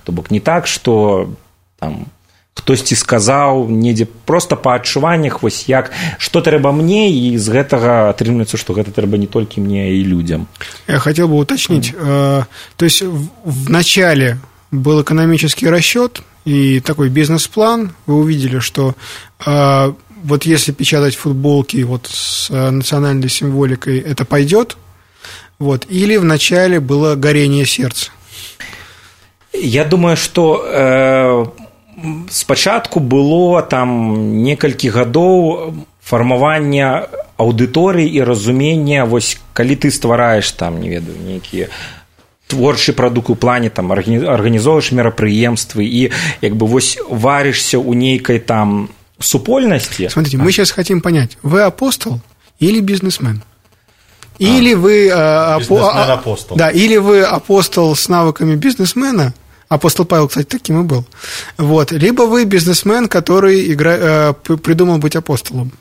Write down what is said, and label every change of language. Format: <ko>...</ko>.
<be>То бок не так, што там хтось ці сказаў недзе, просто па адчуваннях, вось як, што трэба мне, і з гэтага атрымліваецца, што гэта трэба не толькі мне, а і людзям. Я хацеў бы</be> <ru>уточніць, то есть в начале был экономический расчёт и такой бизнес-план. Вы увидели, что вот если печатать футболки вот с национальной символикой, это пойдёт. Вот, или вначале было горение сердца?</ru> <be>Я думаю, что спочатку было там некалькі гадоў фармавання аудыторыі і разумення, вось калі ты ствараеш там, не ведаю, некія творчы прадукт у плане, там арганізоўваеш мерапрыемствы і як бы вось варышся ў нейкай там супольнасці.</be> <ru>Смотрите, мы сейчас хотим понять, вы апостол или бизнесмен? Или вы бизнесмен-апостол. Да, или вы апостол с навыками бизнесмена? Апостол Павел, кстати, таким и был. Вот. Либо вы бизнесмен, который придумал быть апостолом.</ru>